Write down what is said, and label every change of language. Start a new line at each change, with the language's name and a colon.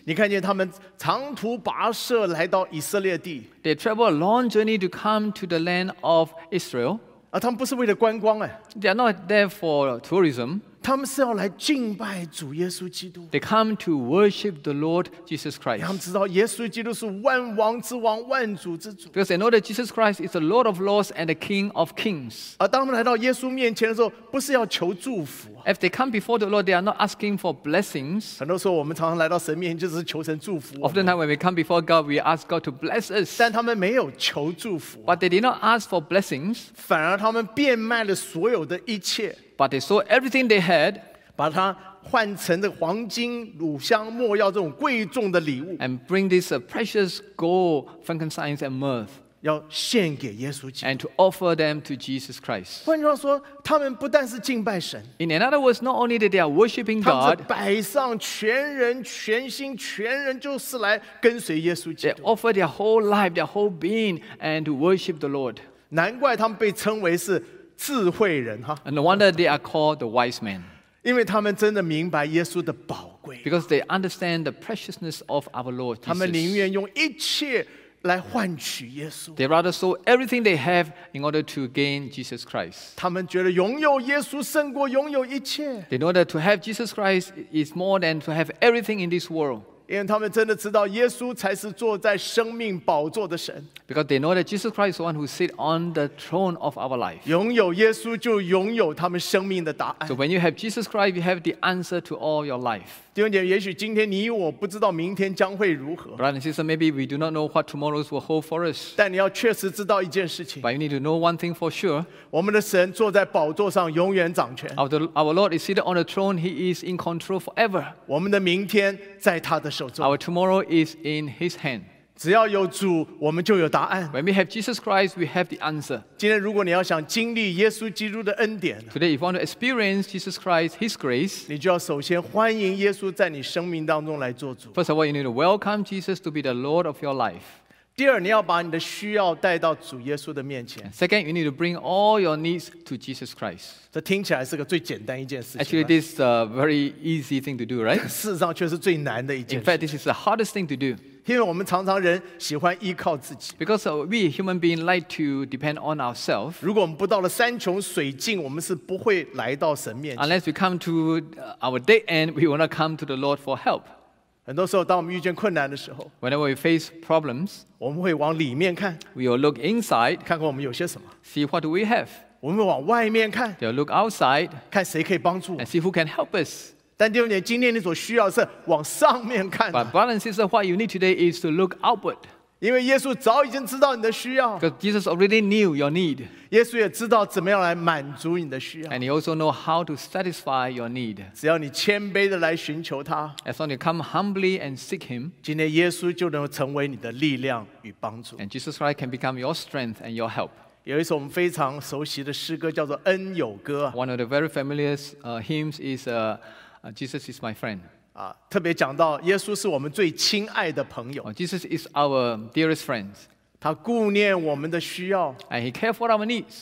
Chinese: 你看见他们长途跋涉来到以色列地
English: They travel a long journey to come to the land of Israel
Chinese: 他们不是为了观光
English: They are not there for tourism
Chinese: 他们是要来敬拜主耶稣基督
English: They come to worship the Lord Jesus Christ
Chinese: 他们知道耶稣基督是万王之王万主之主
English: Because they know that Jesus Christ is the Lord of Lords and the King of Kings
Chinese: 当他们来到耶稣面前的时候不是要求祝福
English: If they come before the Lord, they are not asking for blessings.
Chinese: 很多时候我们常常来到神面前就是求神祝福。
English: Often when we come before God, we ask God to bless us.
Chinese: 但他们没有求祝福。
English: But they did not ask for blessings.
Chinese: 反而他们变卖了所有的一切。
English: But they sold everything they had.
Chinese: 把它换成这黄金、乳香、末药这种贵重的礼物。
English: And bring this precious gold, frankincense, and myrrh.
Chinese: 要献给耶稣基督
English: and to offer them to Jesus Christ.
Chinese: 换句话说，他们不但是敬拜神。
English: In other words, not only that they are worshiping God,
Chinese: 他们摆上全人、全心、全人，就是来跟随耶稣基督。
English: They offer their whole life, their whole being, and to worship the Lord.
Chinese: 难怪他们被称为是智慧人哈。
English: And no wonder they are called the wise men.
Chinese: 因为他们真的明白耶稣的宝贵。
English: Because they understand the preciousness of our Lord Jesus.
Chinese: 他们宁愿用一切。来换取耶稣。
English: They rather sold everything they have in order to gain Jesus Christ.
Chinese: 他们觉得拥有耶稣胜过拥有一切。
English: They know that to have Jesus Christ is more than to have everything in this world.
Chinese: 因为他们真的知道耶稣才是坐在生命宝座的神。
English: Because they know that Jesus Christ is the one who sits on the throne of our life.
Chinese: 拥有耶稣就拥有他们生命的答案。
English: So when you have Jesus Christ, you have the answer to all your life.
Chinese: 弟兄姐妹，也许今天你我不知道明天将会如何。
English: Brother and sister, maybe we do not know what tomorrow will hold for us.
Chinese: 但你要确实知道一件事情。
English: But you need to know one thing for sure.
Chinese: 我们的神坐在宝座上，永远掌权。
English: Our Lord is seated on the throne. He is in control forever.
Chinese: 我们的明天在他的手中。
English: Our tomorrow is in His hand.
Chinese: 只要有主，我们就有答案。
English: When we have Jesus Christ, we have the answer.
Chinese: 今天如果你要想经历耶稣基督的恩典
English: ，Today if you want to experience Jesus Christ, His grace,
Chinese: 你就要首先欢迎耶稣在你生命当中来做主。
English: First of all, you need to welcome Jesus to be the Lord of your life.
Chinese: 第二，你要把你的需要带到主耶稣的面前。
English: Second, you need to bring all your needs to Jesus Christ.
Chinese: 这听起来是个最简单一件事情。
English: Actually, this is a very easy thing to do, right?
Chinese: 事实上却是最难的一件事。
English: In fact, this is the hardest thing to do.
Chinese: 因为我们常常人喜欢依靠自己。
English: Because we human beings like to depend on ourselves.
Chinese: 如果我们不到了山穷水尽，我们是不会来到神面前。
English: Unless we come to our dead end, we will not come to the Lord for help.
Chinese: 很多时候，当我们遇见困难的时候
English: ，Whenever we face problems,
Chinese: 我们会往里面看。
English: We will look inside,
Chinese: 看看我们有些什么。
English: See what do we have?
Chinese: 我们往外面看。
English: We'll look outside,
Chinese: 看谁可以帮助我们。
English: And see who can help us.
Chinese: 但弟兄姐妹，今天你所需要是往上面看。
English: But balance is what you need today is to look upward.
Chinese: 因为耶稣早已经知道你的需要。
English: Because Jesus already knew your need.
Chinese: 耶稣也知道怎么样来满足你的需要。
English: And he also know how to satisfy your need.
Chinese: 只要你谦卑的来寻求他。
English: As long as you come humbly and seek him.
Chinese: 今天耶稣就能成为你的力量与帮助。
English: And Jesus Christ can become your strength and your help.
Chinese: 有一首我们非常熟悉的诗歌叫做恩友歌。
English: One of the very familiar hymns is Jesus is my friend.
Chinese: 特别讲到耶稣是我们最亲爱的朋友。
English: Jesus is our dearest friend.
Chinese: 他顾念我们的需要。
English: And he cares for our needs.